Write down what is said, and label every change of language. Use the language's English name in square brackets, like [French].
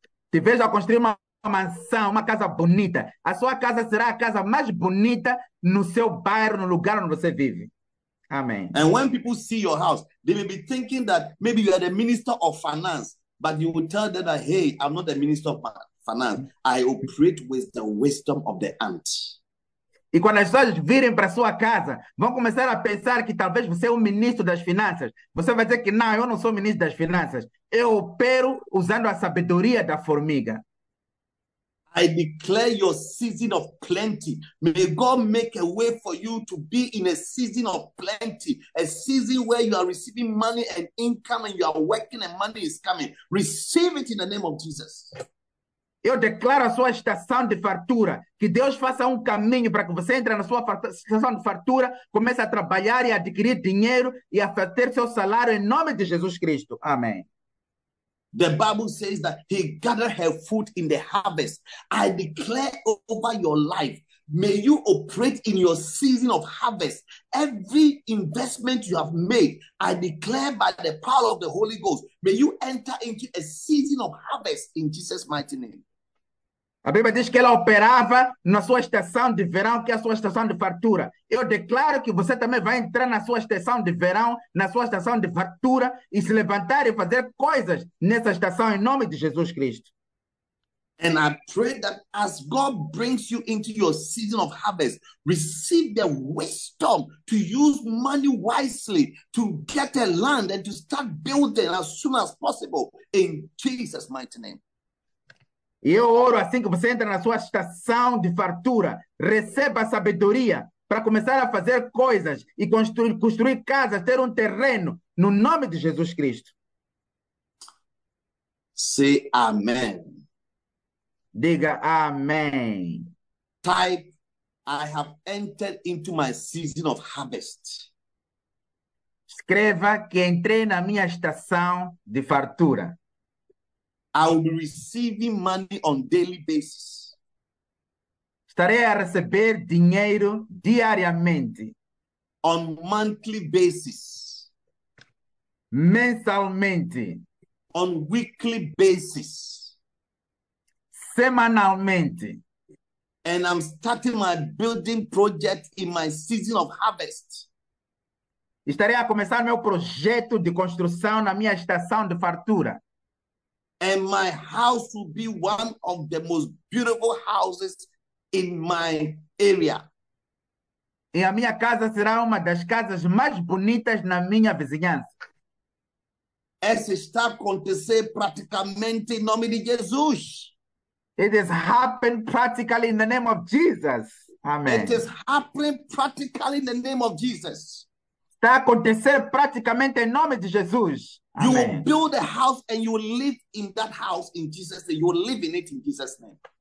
[Portuguese] Te vejo a construir uma mansão, uma casa bonita. A sua casa será a casa mais bonita no seu bairro, no lugar onde você vive. Amém. [English] And when people see your house, they may be thinking that maybe you are the minister of finance, but you will tell them that, hey, I'm not the minister of finance. I operate with the wisdom of the ant. [Portuguese] E quando as pessoas virem para sua casa, vão começar a pensar que talvez você é o ministro das finanças. Você vai dizer que não, eu não sou ministro das finanças. Eu opero usando a sabedoria da formiga. [English] I declare your season of plenty. May God make a way for you to be in a season of plenty. A season where you are receiving money and income and you are working and money is coming. Receive it in the name of Jesus. [Portuguese] Eu declaro a sua estação de fartura. Que Deus faça um caminho para que você entre na sua estação de fartura, comece a trabalhar e adquirir dinheiro e a ter seu salário em nome de Jesus Cristo. Amém. [English] The Bible says that he gathered her food in the harvest. I declare over your life, may you operate in your season of harvest. Every investment you have made, I declare by the power of the Holy Ghost, may you enter into a season of harvest in Jesus' mighty name. [Portuguese] A Bíblia diz que ela operava na sua estação de verão, que é a sua estação de fartura. Eu declaro que você também vai entrar na sua estação de verão, na sua estação de fartura, e se levantar e fazer coisas nessa estação, em nome de Jesus Cristo. [English] And I pray that as God brings you into your season of harvest, receive the wisdom to use money wisely to get a land and to start building as soon as possible in Jesus' mighty name. [Portuguese] E eu oro assim que você entra na sua estação de fartura, receba sabedoria para começar a fazer coisas e construir casas, ter um terreno, no nome de Jesus Cristo. [English] Say amen. [Portuguese] Diga amém. [English] Type, I have entered into my season of harvest. [Portuguese] Escreva que entrei na minha estação de fartura. [English] I will be receiving money on daily basis. [Portuguese] Estarei a receber dinheiro diariamente, [English] On monthly basis. [Portuguese] mensalmente, [English] On weekly basis. [Portuguese] semanalmente. [English] And I'm starting my building project in my season of harvest. [Portuguese] Estarei a começar meu projeto de construção na minha estação de fartura. [English] And my house will be one of the most beautiful houses in my area. [Portuguese] E a minha casa será uma das casas mais bonitas na minha vizinhança. Essa está acontecendo praticamente em nome de Jesus. [English] It has happened practically in the name of Jesus. It Amen. is happening practically in the name of Jesus. [Portuguese] Está acontecendo praticamente em nome de Jesus. [English] You will Amen. build a house and you will live in that house in Jesus' name. You will live in it in Jesus' name.